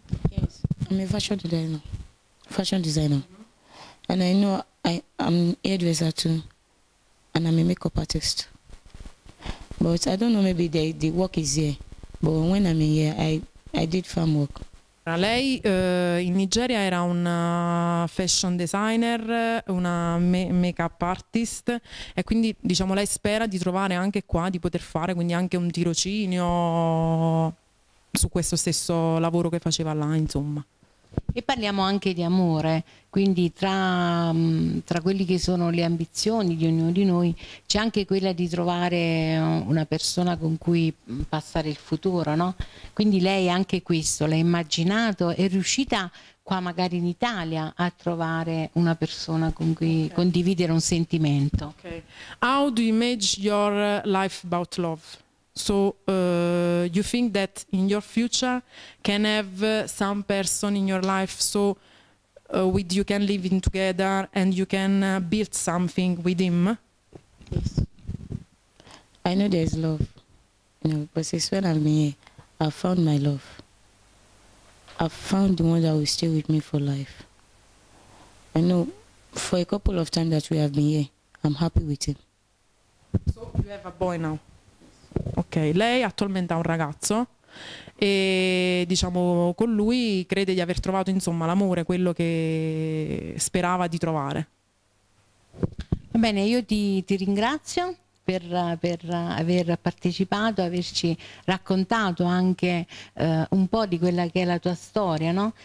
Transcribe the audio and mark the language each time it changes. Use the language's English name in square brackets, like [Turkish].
[English] Yes, I'm a fashion designer. Fashion designer. Mm-hmm. And I know I'm hairdresser too. And I'm a makeup artist. But I don't know, maybe the work is here. But when I'm in here, I did farm work. [Italian] Lei in Nigeria era una fashion designer, una make-up artist, e quindi diciamo lei spera di trovare anche qua, di poter fare quindi anche un tirocinio su questo stesso lavoro che faceva là, insomma. E parliamo anche di amore, quindi tra quelli che sono le ambizioni di ognuno di noi c'è anche quella di trovare una persona con cui passare il futuro, no? Quindi lei anche questo l'ha immaginato, è riuscita qua magari in Italia a trovare una persona con cui okay. condividere un sentimento. [English] Okay. How do you imagine your life about love? So you think that in your future can have some person in your life so with you can live in together and you can build something with him? Yes. I know there's love. You know, but since when I'm here, I found my love. I found the one that will stay with me for life. I know for a couple of times that we have been here, I'm happy with him. So you have a boy now? [Italian] Ok, lei attualmente ha un ragazzo e diciamo con lui crede di aver trovato insomma l'amore, quello che sperava di trovare. Va bene, io ti ringrazio per aver partecipato, averci raccontato anche un po' di quella che è la tua storia, no?